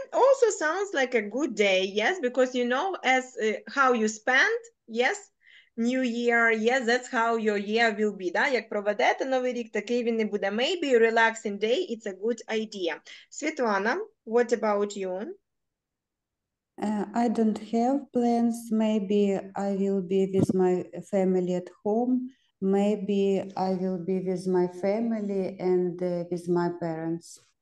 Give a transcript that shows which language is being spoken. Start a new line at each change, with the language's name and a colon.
English: Also sounds like a good day, yes, because you know as how you spend, yes, New Year, yes, that's how your year will be, да?
Ukrainian: Як проведете Новий рік, такий він не буде.
English: Maybe a relaxing day, it's a good idea. Світлана, what about you? I don't have plans. Maybe I will be with my family at home. Maybe I will be with my family and with my parents.